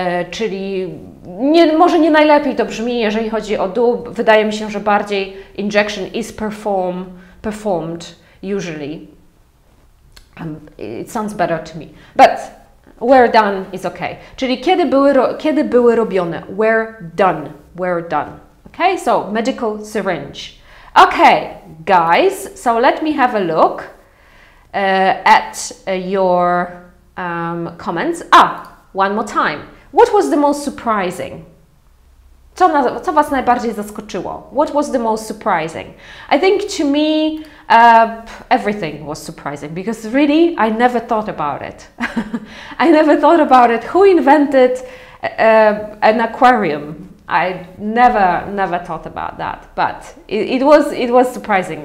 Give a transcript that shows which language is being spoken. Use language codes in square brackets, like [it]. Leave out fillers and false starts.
[pl] Czyli może nie najlepiej to brzmi, jeżeli chodzi o do. Wydaje mi się, że bardziej [en] injection is performed usually. It sounds better to me. But were done is okay. [pl] Czyli kiedy były robione? [en] Were done. Okay, so medical syringe. Okay, guys, so let me have a look at your comments. One more time. What was the most surprising? [pl] Co was najbardziej zaskoczyło? [en] What was the most surprising? I think to me, everything was surprising because really, I never thought about it. I never thought about it. Who invented an aquarium? I never thought about that, but it was surprising.